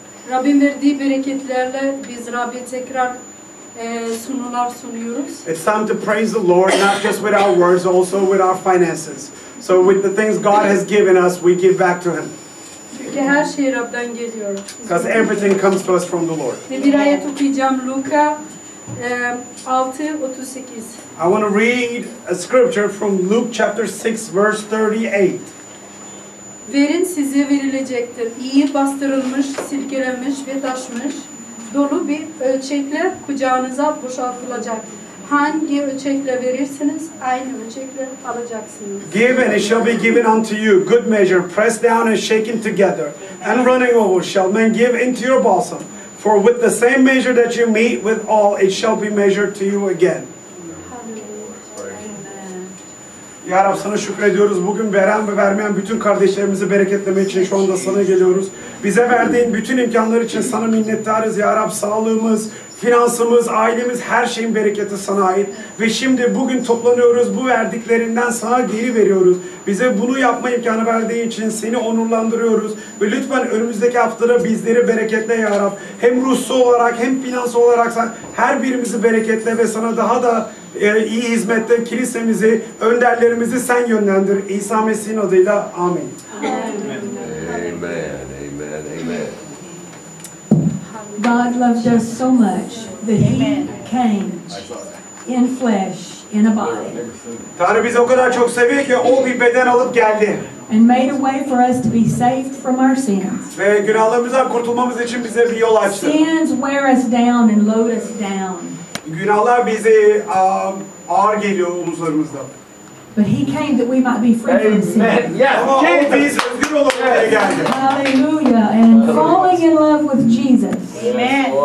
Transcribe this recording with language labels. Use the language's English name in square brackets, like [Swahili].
[Turkish] Rabbin verdiği bereketlerle biz Rabbi tekrar sunular sunuyoruz. [English] It's time to praise the Lord not just with our words, also with our finances. So with the things God has given us, we give back to Him. [Turkish] Çünkü her şey Rab'den geliyor. [English] Because everything comes to us from the Lord. [Turkish] Bir ayet okuyacağım Luka 6:38. [English] I want to read a scripture from Luke chapter 6 verse 38. [Turkish] Verin size verilecektir. İyi bastırılmış, silkelenmiş ve taşmış dolu bir ölçekle kucağınıza boşaltılacak. Hangi ölçekle verirsiniz, aynı ölçekle alacaksınız. [English] Give and it shall be given unto you. Good measure, pressed down and shaken together, and running over, shall men give into your bosom. For with the same measure that you meet with all, it shall be measured to you again. [Turkish] Ya Rab, sana şükrediyoruz. Bugün veren ve vermeyen bütün kardeşlerimizi bereketlemek için şu anda sana geliyoruz. Bize verdiğin bütün imkanlar için sana minnettarız ya Rab. Sağlığımız, finansımız, ailemiz, her şeyin bereketi sana ait. Ve şimdi bugün toplanıyoruz, bu verdiklerinden sana geri veriyoruz. Bize bunu yapma imkanı verdiğin için seni onurlandırıyoruz. Ve lütfen önümüzdeki haftada bizleri bereketle ya Rab. Hem ruhsu olarak hem finans olarak her birimizi bereketle ve sana daha da iyi hizmette kilisemizi, önderlerimizi sen yönlendir. İsa Mesih'in adıyla amin. [English] Amen. Amen. Amen. God loved us so much that He came in flesh, in a body. [Turkish] Tanrı bizi o kadar çok seviyor ki o bir beden alıp geldi. [English] And made a way for us to be saved from our sins. [Turkish] Ve günahlarımızdan kurtulmamız için bize bir yol açtı. [English] Sins wear us down and load us down. [Turkish] Günahlar bize ağır geliyor omuzlarımızda. [English] But He came that we might be free from sin. [Turkish] Amen. Yes. Biz özgür olmaya geldi. [English] Hallelujah. And falling in love with Jesus. Amen.